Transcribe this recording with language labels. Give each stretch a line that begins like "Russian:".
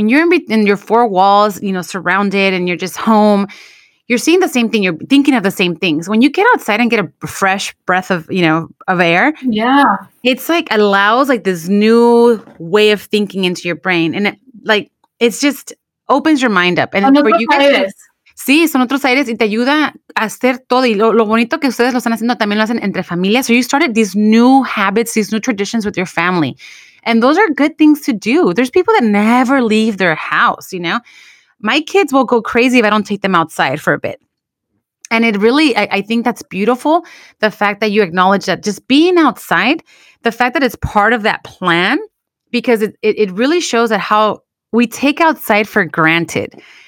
English: When you're in your four walls, you know, surrounded and you're just home, you're seeing the same thing. You're thinking of the same things. When you get outside and get a fresh breath of, you know, of air. Yeah. It's like allows like this new way of thinking into your brain. And it like, it's just opens your mind up. And for you guys.
Spanish: Sí, son otros aires y te ayuda a hacer todo. Y lo bonito que ustedes lo están haciendo también lo hacen entre familias.
English: So you started these new habits, these new traditions with your family. And those are good things to do. There's people that never leave their house, you know. My kids will go crazy if I don't take them outside for a bit. And it really, I think that's beautiful. The fact that you acknowledge that just being outside, the fact that it's part of that plan, because it really shows that how we take outside for granted.